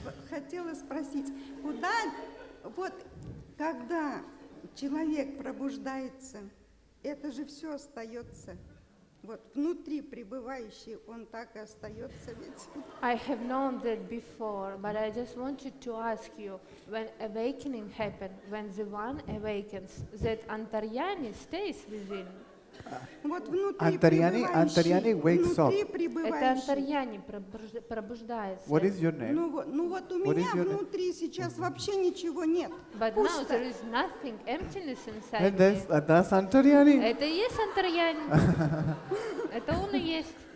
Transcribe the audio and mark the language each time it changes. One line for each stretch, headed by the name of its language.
Russian: Хотела спросить, куда, вот, когда человек пробуждается, это же все остается, вот, внутри пребывающий, он так и остается ведь.
English: I have known that before, but I just wanted to ask you, when awakening happens, when the one awakens, that Antarjani stays within.
Russian: Вот внутри Антарьяни, это Антарьяни пробуждается.
English: What is your name?
Russian: Ну вот у
English: What
Russian: меня внутри
English: name?
Russian: Сейчас вообще ничего нет.
English: But
Russian: пусто.
English: Now there is nothing, emptiness inside. And that's, that's Антарьяни.
Russian: Это и есть Антарьяни. Это он и есть.